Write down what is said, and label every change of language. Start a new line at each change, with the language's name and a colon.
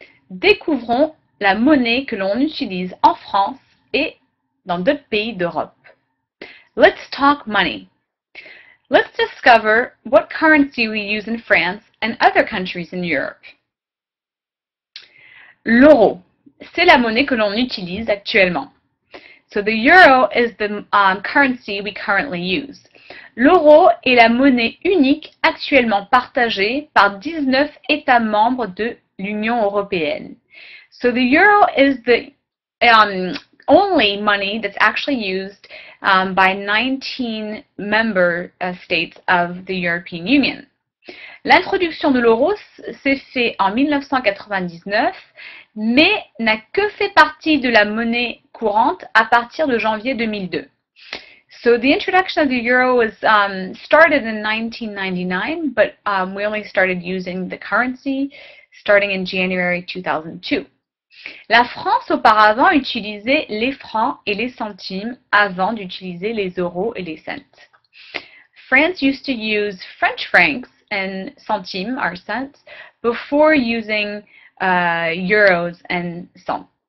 French: Découvrons la monnaie que l'on utilise en France et dans d'autres pays d'Europe.
English: Let's talk money. Let's discover what currency we use in France and other countries in Europe.
French: L'euro, c'est la monnaie que l'on utilise actuellement.
English: So the euro is the currency we currently use.
French: L'euro est la monnaie unique actuellement partagée par 19 États membres de l'Union européenne.
English: So the euro is the only money that's actually used by 19 member states of the European Union.
French: L'introduction de l'euro s'est faite en 1999, mais n'a que fait partie de la monnaie courante à partir de janvier 2002.
English: So the introduction of the euro was started in 1999, but we only started using the currency starting in January 2002.
French: La France auparavant utilisait les francs et les centimes avant d'utiliser les euros et les cents.
English: France used to use French francs and centimes, or cents, before using euros and cents.